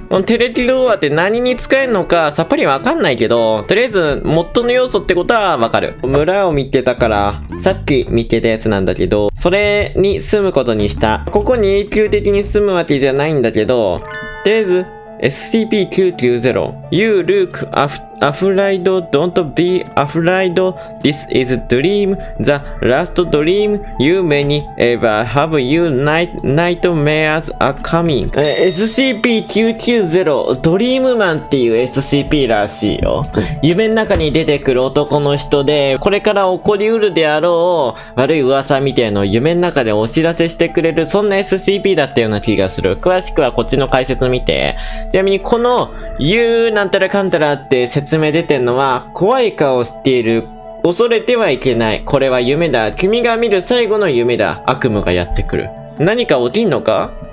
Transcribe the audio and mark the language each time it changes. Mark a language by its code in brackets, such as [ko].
[ja] このテレキルオアって何に使えるのかさっぱりわかんないけど、とりあえず、モッドの要素ってことはわかる。村を見てたから、さっき見てたやつなんだけど、それに住むことにした。ここに永久的に住むわけじゃないんだけど、とりあえず、SCP-990 [en] You look afraid, don't be afraid. This is a dream, the last dream you many ever have. You nightmares are coming. [ja] SCP-990 ドリームマンっていう SCP らしいよ。夢の中に出てくる男の人で、これから起こりうるであろう悪い噂みたいのを夢の中でお知らせしてくれる、そんな SCP だったような気がする。詳しくはこっちの解説見て。ちなみにこの You なんたらかんたらって説明出てんのは、怖い顔をしている、恐れてはいけない、これは夢だ、君が見る最後の夢だ、悪夢がやってくる。何か起きんのか？